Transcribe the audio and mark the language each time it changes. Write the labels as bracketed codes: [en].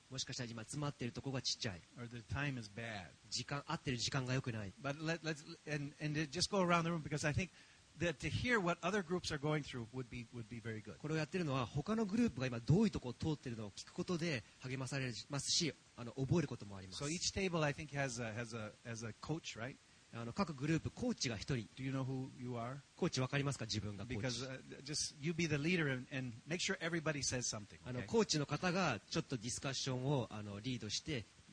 [ja] もしかしたら今詰まっているところがちっちゃい。 [en] Or the time is bad. [ja] 時間合ってる時間が良くない。 [en] But let's and just go around the room because I think that to hear what other groups are going through would be very good. [ja] これをやってるのは他のグループが今どういうところを通ってるのを聞くことで励まされますし、覚えることもあります。 [en] So each table I think has a coach, right? [ja] 各グループコーチが一人 [en] Do you know who you are? [ja] コーチ分かりますか自分がコーチ [en] Because, just you be the leader and make sure everybody says something, okay? [ja] コーチの方がちょっとディスカッションをリードして